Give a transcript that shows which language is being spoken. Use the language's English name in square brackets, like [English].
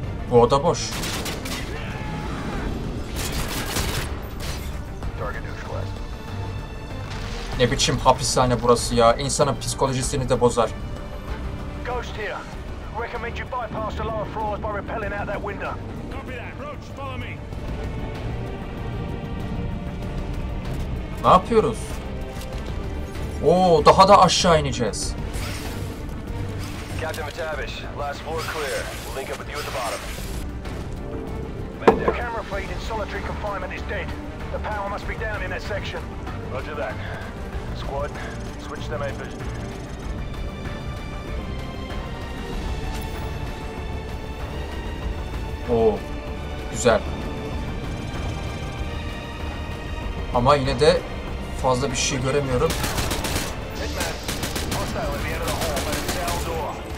[Turkish] Bu oda boş. Ne biçim hapishane burası ya? İnsanın psikolojisini de bozar. [English] Ghost here. Recommend you bypass the lower floors by rappelling out that window. Copy that. Roach, follow me. [Turkish] Ne yapıyoruz? Oo, daha da aşağı ineceğiz. [English] Captain Matavish, last floor clear. We'll link up with you at the bottom. The camera feed in solitary confinement is dead. The power must be down in that section. Roger that. Squad, switch the main vision. [Turkish] Oo, güzel. Ama yine de fazla bir şey göremiyorum. [English] Hitman, hostile at the end of the hall by the cell door.